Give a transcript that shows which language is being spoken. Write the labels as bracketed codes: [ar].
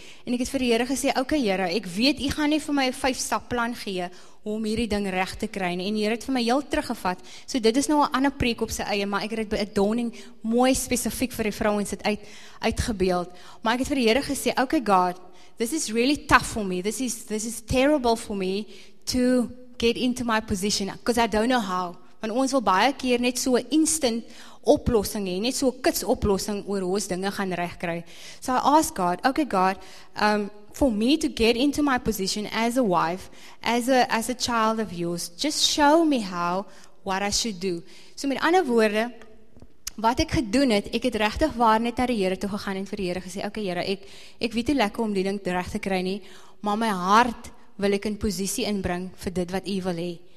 [af] En ek het vir die Here gesê, okay Here, ek weet u gaan nie vir my 5-stap plan gee om hierdie ding reg te kry. En die Here het vir my heel teruggevat. So dit is nou 'n ander preek op sy eie, maar ek het dit by 'n donning mooi spesifiek vir die vrouens het uitgebeeld. Maar ek het vir die Here gesê, okay God, [en] this is really tough for me. This is terrible for me to get into my position because I don't know how. [af] Want ons wil baie keer net so 'n instant oplossing hê, net so 'n kits oplossing oor hoe ons dinge gaan regkry. [en] So I ask God, okay God, for me to get into my position as a wife, as a child of yours, just show me how, what I should do. [af] So met ander woorde, wat ek gedoen het, ek het regtig waar net na die Here toe gegaan en vir die Here gesê, okay Here, ek weet nie lekker om die ding reg te kry nie, maar my hart wil ek in posisie inbring vir dit wat U wil hê.